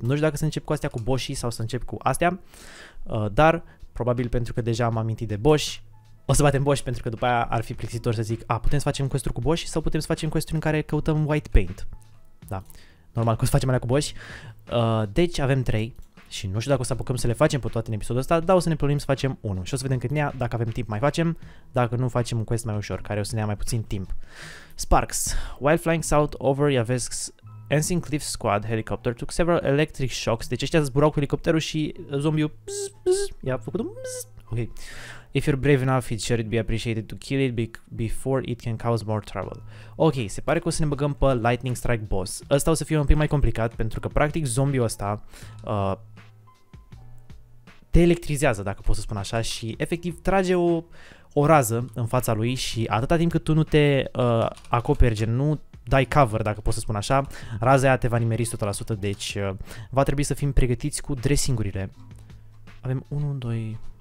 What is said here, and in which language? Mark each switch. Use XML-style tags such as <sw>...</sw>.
<ro>Nu știu dacă să încep cu astea, cu boșii, sau să încep cu astea. Dar, probabil pentru că deja am amintit de boși, o să batem boși, pentru că după aia ar fi plictisitor să zic: a, putem să facem quest-uri cu boși sau putem să facem quest-uri în care căutăm white paint. Da, normal că o să facem alea cu boși. Deci avem 3 și nu știu dacă o să apucăm să le facem pe toate în episodul ăsta, dar o să ne plănim să facem unul. Și o să vedem cât ne ia, dacă avem timp mai facem, dacă nu facem un quest mai ușor, care o să ne ia mai puțin timp.</ro> <en>Sparks. While flying south over Yavesk's Ensign Cliff Squad helicopter took several electric shocks.</en> <ro>Deci ăștia zburau cu helicopterul și zombiul bzz, bzz, i-a făcut un bzz. Ok.</ro> <en>If you're brave enough, it should be appreciated to kill it before it can cause more trouble.</en> <ro>Ok, se pare că o să ne băgăm pe Lightning Strike Boss. Ăsta o să fie un pic mai complicat, pentru că practic zombiul ăsta te electrizează, dacă pot să spun așa, și efectiv trage o rază în fața lui și atâta timp cât tu nu te acoperi, gen nu dai cover, dacă pot să spun așa, raza aia te va nimeri 100%, deci va trebui să fim pregătiți cu dressing-urile. Avem 1, 2...</ro>